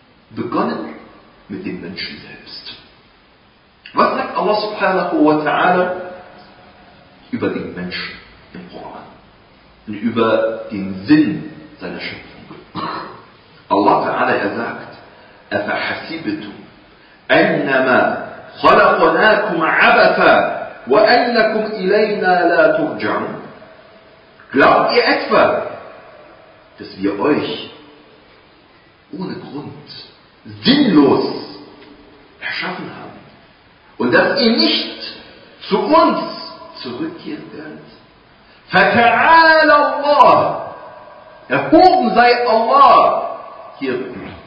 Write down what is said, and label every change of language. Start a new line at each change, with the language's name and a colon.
German: Begonnen mit dem Menschen selbst. Was sagt Allah subhanahu wa ta'ala über den Menschen im Koran? Und über den Sinn seiner Schöpfung? Allah ta'ala, er sagt,
Arabic: أَفَحَسِبْتُمْ أَنَّمَا خَلَقْنَاكُمْ عَبَثًا وَأَنَّكُمْ إِلَيْنَا لَا تُرْجَعُونَ.
German: Glaubt ihr etwa, dass wir euch ohne Grund sinnlos erschaffen haben und dass ihr nicht zu uns zurückkehren werdet?
Arabic: فَتَعَالَ اللَّهُ,
German: erhoben sei Allah hierüber.